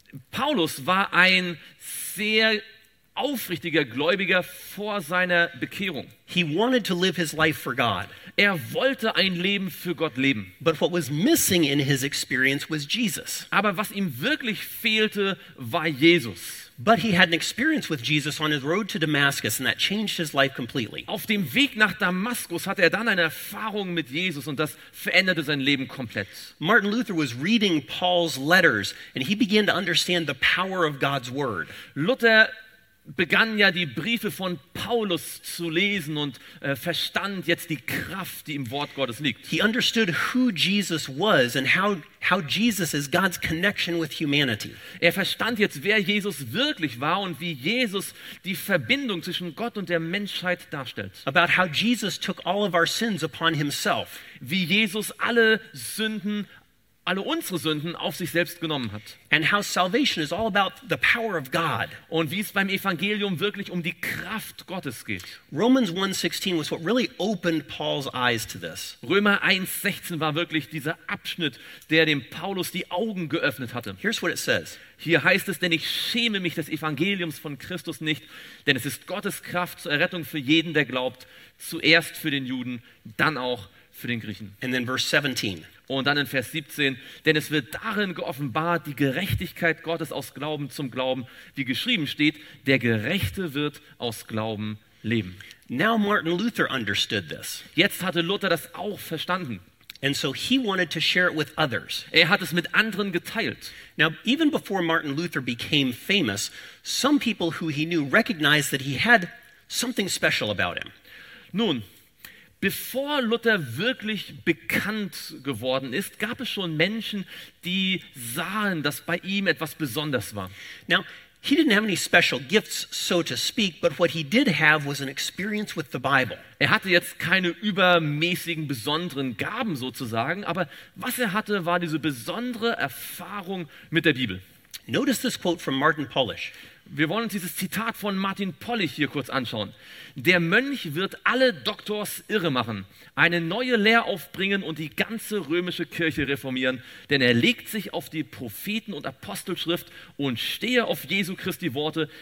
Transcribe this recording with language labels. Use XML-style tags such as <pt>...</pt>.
<de>Paulus war ein sehr aufrichtiger Gläubiger vor seiner Bekehrung.</de> <en>He wanted to live his life for God.</en> <de>Er wollte ein Leben für Gott leben.</de> <en>But what was missing in his experience was Jesus.</en> <de>Aber was ihm wirklich fehlte, war Jesus.</de> <en>But he had an experience with Jesus on his road to Damascus, and that changed his life completely.</en> <de>Auf dem Weg nach Damaskus hatte er dann eine Erfahrung mit Jesus, und das veränderte sein Leben komplett.</de> <en>Martin Luther was reading Paul's letters, and he began to understand the power of God's word.</en> <de>Luther begann ja die Briefe von Paulus zu lesen und verstand jetzt die Kraft, die im Wort Gottes liegt.</de> <en>He understood who Jesus was and how Jesus is God's connection with humanity.</en> <de>Er verstand jetzt, wer Jesus wirklich war und wie Jesus die Verbindung zwischen Gott und der Menschheit darstellt.</de> <en>About how Jesus took all of our sins upon himself.</en> <de>Wie Jesus alle unsere Sünden auf sich selbst genommen hat.</de> <en>And how salvation is all about the power of God.</en> <de>Und wie es beim Evangelium wirklich um die Kraft Gottes geht.</de> <en>Romans 1:16 was what really opened Paul's eyes to this.</en> <de>Römer 1:16 war wirklich dieser Abschnitt, der dem Paulus die Augen geöffnet hatte.</de> <en>Here's what it says.</en> <de>Hier heißt es, denn ich schäme mich des Evangeliums von Christus nicht, denn es ist Gottes Kraft zur Errettung für jeden, der glaubt, zuerst für den Juden, dann auch für den Griechen.</de> <en>And then verse 17.</en> <de>Und dann in Vers 17, denn es wird darin geoffenbart, die Gerechtigkeit Gottes aus Glauben zum Glauben, wie geschrieben steht, der Gerechte wird aus Glauben leben.</de> <en>Now Martin Luther understood this.</en> <de>Jetzt hatte Luther das auch verstanden.</de> <en>And so he wanted to share it with others.</en> <de>Er hat es mit anderen geteilt.</de> <en>Now, even before Martin Luther became famous, some people who he knew recognized that he had something special about him.</en> <de>Nun, bevor Luther wirklich bekannt geworden ist, gab es schon Menschen, die sahen, dass bei ihm etwas besonders war.</de> <en>Now, he didn't have any special gifts, so to speak, but what he did have was an experience with the Bible.</en> <de>Er hatte jetzt keine übermäßigen besonderen Gaben sozusagen, aber was er hatte, war diese besondere Erfahrung mit der Bibel.</de> <en>Notice this quote from Martin Polish.</en> <de>Wir wollen uns dieses Zitat von Martin Pollich hier kurz anschauen. Der Mönch wird alle Doktors irre machen, eine neue Lehre aufbringen und die ganze römische Kirche reformieren, denn er legt sich auf die Propheten- und Apostelschrift und stehe auf Jesu Christi Worte.</de>